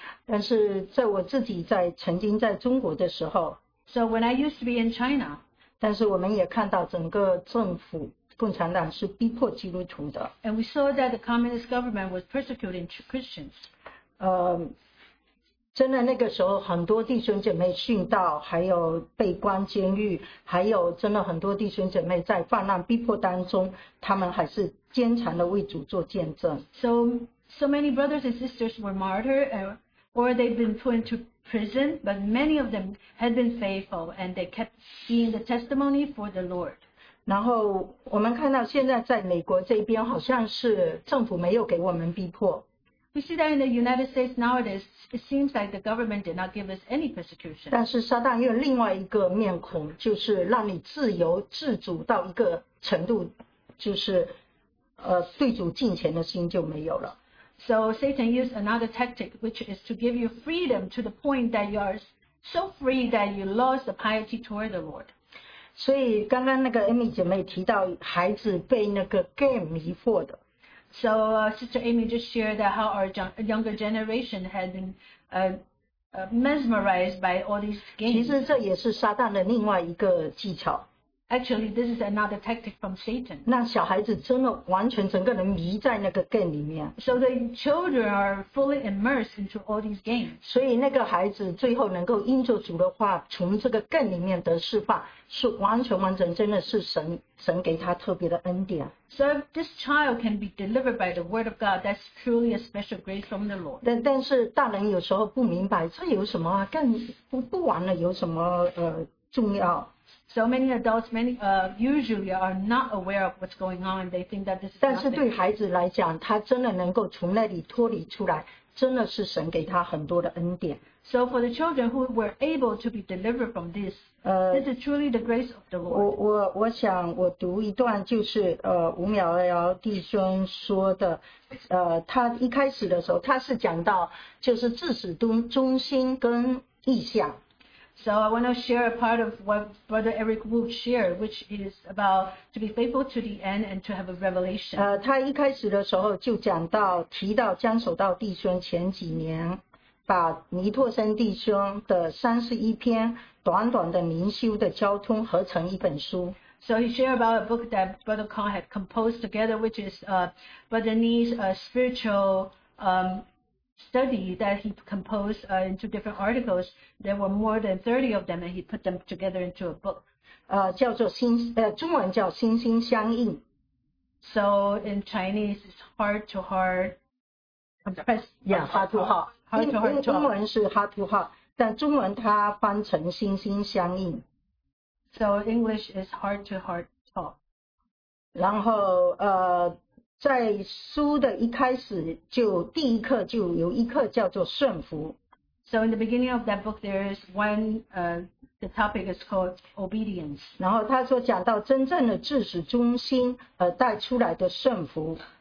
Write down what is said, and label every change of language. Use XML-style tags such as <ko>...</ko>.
<zh>但是在我自己在曾经在中国的时候，</zh> <en>So when I used to be in China,</en> <zh>但是我们也看到整个政府共产党是逼迫基督徒的。</zh> <en>And we saw that the communist government was persecuting Christians.</en> <zh>真的那个时候很多弟兄姐妹殉道，还有被关监狱，还有真的很多弟兄姐妹在患难逼迫当中，他们还是坚强的为主做见证。</zh> <en>So many brothers and sisters were martyred, or they've been put into prison, but many of them had been faithful and they kept being the testimony for the Lord.</en> <zh>然后我们看到现在在美国这边好像是政府没有给我们逼迫。</zh> <en>We see that in the United States nowadays, it seems like the government did not give us any persecution.</en> <zh>但是撒旦用另外一个面孔，就是让你自由自主到一个程度，就是对主敬虔的心就没有了。</zh> <en>So Satan used another tactic, which is to give you freedom to the point that you are so free that you lost the piety toward the Lord.</en> <zh>所以刚刚那个 Amy 姐妹提到孩子被那个 game 迷惑的。</zh> <en>So Sister Amy just shared that how our younger generation had been mesmerized by all these games.</en> <zh>其实这也是撒旦的另外一个技巧。</zh> <en>Actually, this is another tactic from Satan.</en> <zh>让小孩子真的完全整个人迷在那个 game 里面。</zh> <en>So the children are fully immersed into all these games.</en> <zh>所以那个孩子最后能够因着主的话，从这个 game 里面得释放，是完全完整，真的是神给他特别的恩典。</zh> <en>So if this child can be delivered by the word of God, that's truly a special grace from the Lord.</en> <zh>但是大人有时候不明白，这有什么啊？更不玩了，有什么重要？</zh> <en>So many adults, usually are not aware of what's going on. They think that this is nothing.</en> <zh>但是对孩子来讲，他真的能够从那里脱离出来，真的是神给他很多的恩典。</zh> <en>So for the children who were able to be delivered from this, this is truly the grace of the Lord.</en> <zh>我想我读一段，就是吴淼瑶弟兄说的，他一开始的时候，他是讲到就是至死忠心跟意向。</zh> <en>So I want to share a part of what Brother Eric Wu shared, which is about to be faithful to the end and to have a revelation.</en> <zh>他一开始的时候就讲到，提到江守道弟兄前几年把尼托森弟兄的31篇短短的灵修的交通合成一本书。</zh> <en>So he shared about a book that Brother Kong had composed together, which is Brother Ni's spiritual study that he composed in two different articles. There were more than 30 of them, and he put them together into a book.</en> <zh>叫做心，中文叫心心相印。</zh> <en>So in Chinese, it's heart to heart. So English is heart to heart talk.</en> <zh>然后，在书的一开始就第一课就有一课叫做顺服。</zh> <en>So in the beginning of that book, there is one the topic is called obedience.</en> <zh>然后他说讲到真正的至始忠心而带出来的顺服。</zh>